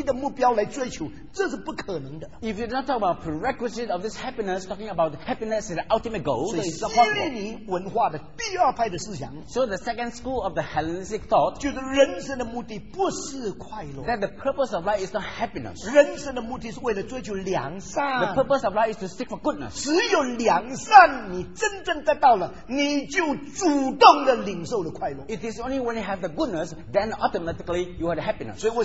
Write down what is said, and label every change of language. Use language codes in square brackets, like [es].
[zh] 如果你不讲快乐的先决条件，只把快乐当作终极的目标来追求，这是不可能的。 [en] If you don't talk about prerequisite of this happiness, talking about happiness is the ultimate goal, [zh] 所以希利尼文化的第二派的思想， [en] so the second school of the Hellenistic thought, [zh] 就是人生的目的不是快乐， [en] that the purpose of life is not happiness. [zh] 人生的目的是为了追求良善， [en] the purpose of life is to seek for goodness. [zh] 只有良善你真正得到了，你就主动的领受了快乐。 [en] It is only when you have the goodness, then automatically you have the happiness.